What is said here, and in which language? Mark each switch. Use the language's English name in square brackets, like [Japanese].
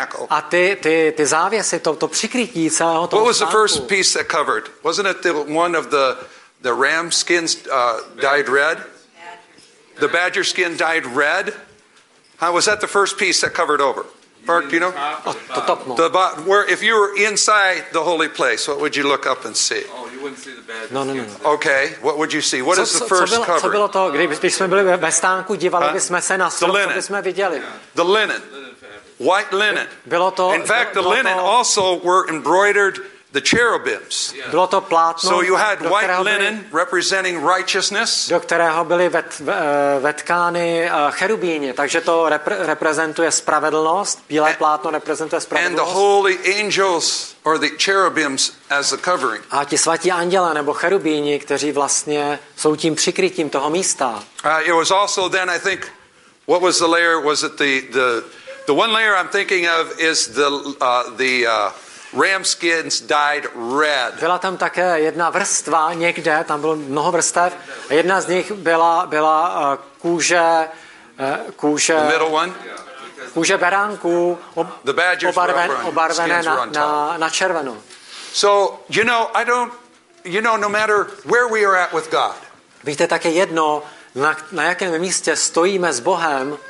[Czech] A ty závěsy, to přikrytí celého toho zvánku. [English] What was the first piece that covered? Wasn't it the one of the ram skins dyed red? The badger skin dyed red? How was that the first piece that covered over? Mark, do you know? The bottom. Where, if you were inside the holy place, what would you look up and see? Oh, you wouldn't see the badger. No. Okay, what would you see? What is the first cover? [Czech] Co bylo to, když jsme byli ve stánku, dívali bychom se na strop, co bychom viděli? [English] The linen. White linen. [Czech] Bylo to, [English] in fact, the linen also were embroidered the cherubims. [Czech] Bylo to plátno. [English] So you had white linen representing righteousness. [Czech] Do kterého byly vetkány cherubíni, takže to reprezentuje spravedlnost. Bílé plátno reprezentuje spravedlnost. [English] And the holy angels or the cherubims as the covering. [Czech] A ti svatí anděle nebo cherubíni, kteří vlastně jsou tím přikrytím toho místa. [English] It was also then I think what was the layer, was it the one layer I'm thinking of is the ram skins dyed red. [Czech] Byla tam také jedna vrstva někde, tam bylo mnoho vrstev. A jedna z nich byla kůže [English] the middle one. [Czech] Kůže beránku obarvené na červenou. [English] So, you know, I don't, you know, no matter where we are at with God. [Czech] Víte také jedno, na jakém místě stojíme s Bohem.